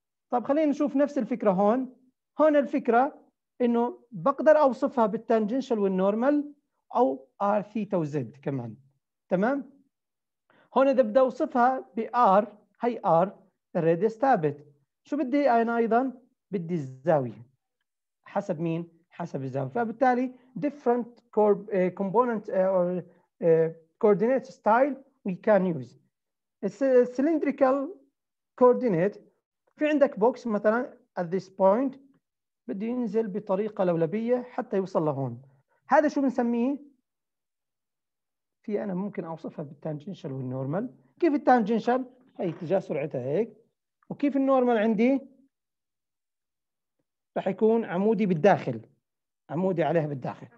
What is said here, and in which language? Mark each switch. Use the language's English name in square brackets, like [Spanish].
[Arabic] طب خلينا نشوف نفس الفكرة هون. هون الفكرة انه بقدر اوصفها بالتانجنشال والنورمال او ار ثيتا وزد كمان. تمام؟ هون اذا بدي اوصفها بار، هي ار الراديوس ثابت. شو بدي انا ايضا؟ بدي الزاوية. حسب مين؟ حسب الزاوية. فبالتالي [English] different component or coordinate style we can use. It's a cylindrical coordinate. [Arabic] في عندك بوكس مثلا [English] at this point [Arabic] بده ينزل بطريقة لولبية حتى يوصل لهون. هذا شو بنسميه؟ في أنا ممكن أوصفها بالتانجنشال والنورمال. كيف التانجنشال؟ هي اتجاه سرعتها هيك. وكيف النورمال عندي؟ رح يكون عمودي بالداخل. عمودي عليها بالداخل.